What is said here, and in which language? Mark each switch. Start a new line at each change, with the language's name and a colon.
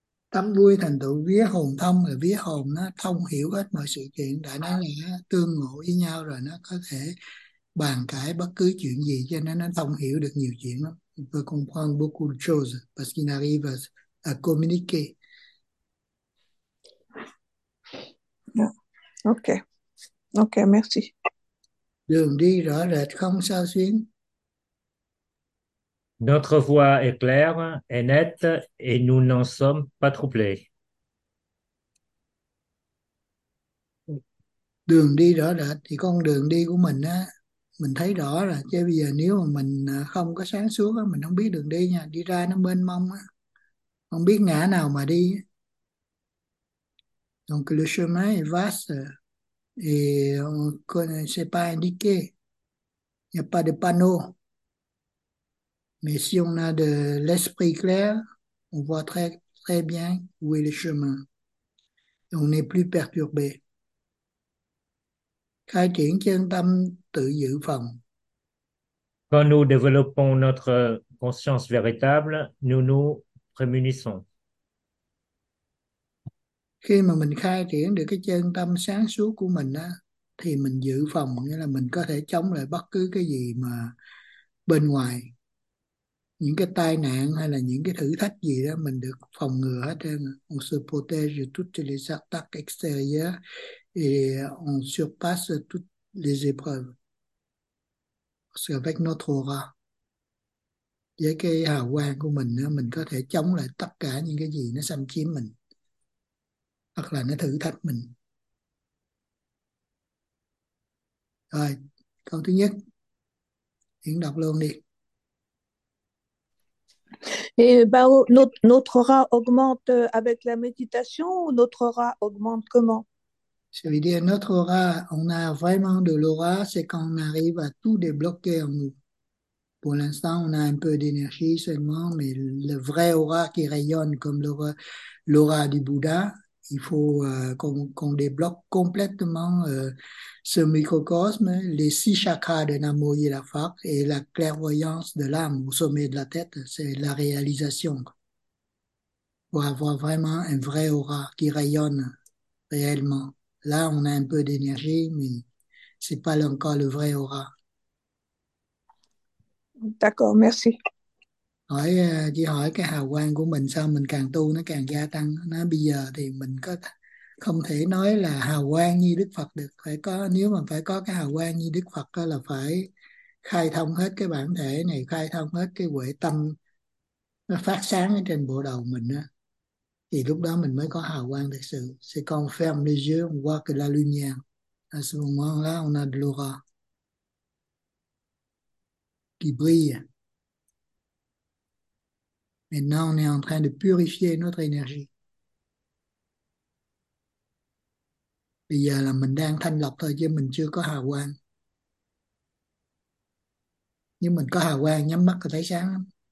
Vietnamese: Tâm vui thành tựu vía hồn thông, là vía hồn nó thông hiểu hết mọi sự kiện, đã nói là tương ngộ với nhau rồi, nó có thể bàn cãi bất cứ chuyện gì, cho nên nó thông hiểu được nhiều chuyện lắm.
French: Il peut comprendre beaucoup de choses parce qu'il arrive à communiquer. Ok, merci.
Vietnamese: Đường đi rõ rệt không sao xuyến.
French: Notre voie est claire et nette et nous n'en sommes pas troublés.
Vietnamese: Đường đi rõ rệt thì con đường đi của mình á, mình thấy rõ rồi, chứ bây giờ nếu mà mình không có sáng suốt á, mình không biết đường đi nha, đi ra nó mênh mông á, không biết ngã nào mà đi.
French: Donc le chemin est vaste et on ne sait pas indiquer. Il n'y a pas de panneau. Mais si on a de l'esprit clair, on voit très, très bien où est le chemin. On n'est plus perturbé.
Vietnamese: Khai triển chân tâm tự dự phòng.
French: Quand nous développons notre conscience véritable, nous nous prémunissons.
Vietnamese: Khi mà mình khai triển được cái chân tâm sáng suốt của mình á, thì mình dự phòng, nghĩa là mình có thể chống lại bất cứ cái gì mà bên ngoài, những cái tai nạn hay là những cái thử thách gì đó mình được phòng ngừa hết trơn.
French: On se protège de toutes les attaques extérieures et on surpasse toutes les épreuves. Parce avec notre aura,
Vietnamese: với cái hào quang của mình có thể chống lại tất cả những cái gì nó xâm chiếm mình hoặc là nó thử thách mình. Rồi, câu thứ nhất, Hiển đọc luôn đi.
French: Et ben, notre aura augmente avec la méditation ou notre aura augmente comment? Ça veut dire notre aura, on a vraiment de l'aura, c'est qu'on arrive à tout débloquer en nous. Pour l'instant, on a un peu d'énergie seulement, mais le vrai aura qui rayonne comme l'aura du Bouddha, il faut qu'on débloque complètement ce microcosme, les six chakras de Namo Yirafak et la clairvoyance de l'âme au sommet de la tête, c'est la réalisation. Pour avoir vraiment un vrai aura qui rayonne réellement. Là, on a un peu d'énergie, mais ce n'est pas encore le vrai aura. D'accord, merci.
Vietnamese: Chỉ hỏi cái hào quang của mình sao mình càng tu nó càng gia tăng. Nó bây giờ thì mình có không thể nói là hào quang như Đức Phật được. Phải có, nếu mà phải có cái hào quang như Đức Phật đó là phải khai thông hết cái bản thể này, khai thông hết cái huệ tâm nó phát sáng ở trên bộ đầu mình á. Thì lúc đó mình mới có hào quang thực sự.
French: C'est quand on ferme les yeux, on voit que la lumière. À ce moment-là, on a de l'aura qui brille. Maintenant, on est en train de purifier notre énergie.
Vietnamese: Bây giờ là mình đang thanh lọc thôi, chứ mình chưa có hào quang. Nhưng mình có hào quang, nhắm mắt là thấy sáng lắm.